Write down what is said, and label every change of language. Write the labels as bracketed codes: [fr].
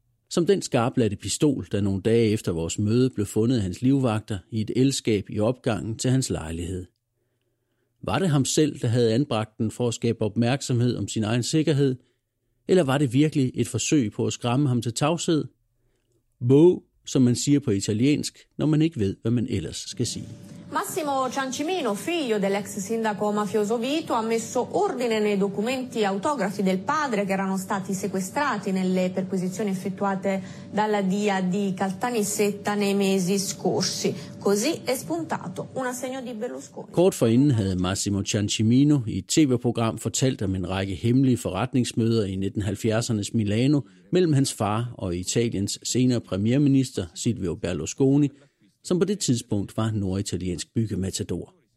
[da] Som den skarpladte pistol, der nogle dage efter vores møde blev fundet af hans livvagter i et elskab i opgangen til hans lejlighed. Var det ham selv, der havde anbragt den for at skabe opmærksomhed om sin egen sikkerhed? Eller var det virkelig et forsøg på at skræmme ham til tavshed? Bo, som man siger på italiensk, når man ikke ved, hvad man ellers skal sige. [it] Massimo Ciancimino, figlio dell'ex sindaco mafioso Vito, ha messo ordine nei documenti autografi del padre che erano stati sequestrati nelle perquisizioni effettuate dalla DIA di Caltanissetta nei mesi scorsi. Così è spuntato un assegno di Berlusconi. [da] Kort forinden havde Massimo Ciancimino i et tv-program fortalt om en række hemmelige forretningsmøder i 1970'ernes Milano mellem hans far og Italiens senere premierminister Silvio Berlusconi, som på det tidspunkt var norditaliensk byggematador.